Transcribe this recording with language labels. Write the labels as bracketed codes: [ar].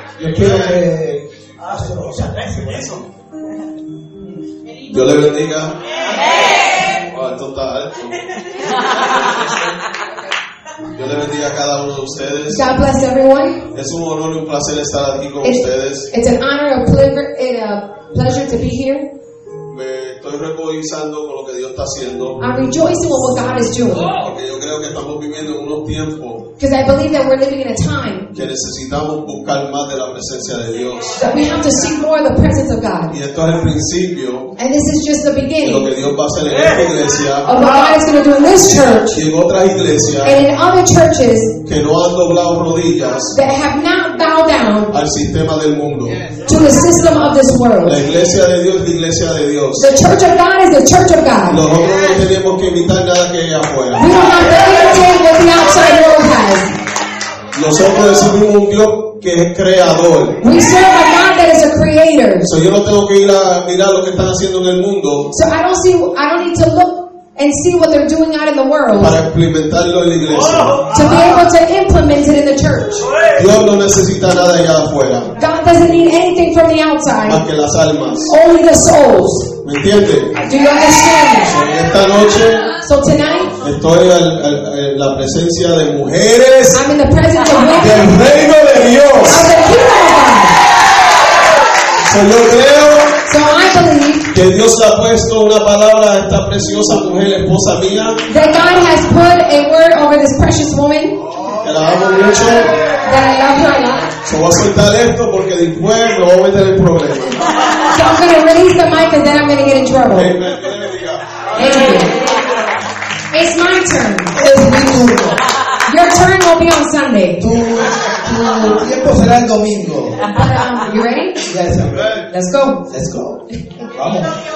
[es] Yo quiero que Dios le bendiga. Wow, esto está alto. Dios le bendiga a cada uno de ustedes. [en] God bless everyone. [es] Es un honor y un placer estar aquí con ustedes. [en] It's an honor and a pleasure to be here. [es] Me estoy regocijando con lo que Dios está haciendo. [en] I'm rejoicing with what God is doing. [es] Porque yo creo que estamos viviendo en unos tiempos. [en] Because I believe that we're living in a time [es] que necesitamos buscar más de la presencia de Dios. [en] That we have to seek more of the presence of God. [es] Y esto es el principio. [en] And this is just the beginning. [es] Lo que Dios va a hacer en esta iglesia. [en] Of what God is going to do in this church. [es] Y en otras iglesias. [en] And in other churches. [es] Que no han doblado rodillas. [en] That have not bowed down. [es] Al sistema del mundo. [en] To the system of this world. [es] La iglesia de Dios es la iglesia de Dios. [en] The church of God is the church of God. [es] Nosotros no tenemos que imitar nada que hay afuera. [en] We don't have to imitate what the outside world has. [es] Nosotros decimos un Dios que es creador. [en] We serve a God that is a creator. [es] So yo no tengo que ir a mirar lo que están haciendo en el mundo. [en] So I don't need to look and see what they're doing out in the world. [es] Para implementarlo en la iglesia. [en] To be able to implement it in the church. [es] Dios no necesita nada allá afuera. [en] God doesn't need anything from the outside. [es] Más que las almas. [en] Only the souls. [es] ¿Me entiende? [en] Do you understand? [es] So, esta noche. [en] So tonight. [es] Estoy en la presencia de mujeres. [en] I'm in the presence of women. [es] Del reino de Dios. [en] Of the kingdom of God. [es] So yo creo. [en] So I believe. [es] Que Dios ha puesto una palabra a esta preciosa mujer, esposa mía. [en] That God has put a word over this precious woman. [es] Que la amo mucho. [en] That I love her a lot. [es] So voy a soltar esto porque después no voy a tener problemas. [en] So I'm going to release the mic and then I'm going to get in trouble. Amen. It's my turn. [es] Es mi turno. [en] Your turn will be on Sunday. [es] Tu tiempo será el domingo. [en] You ready? Yes, I'm ready. Let's go. Let's go. [es] Vamos.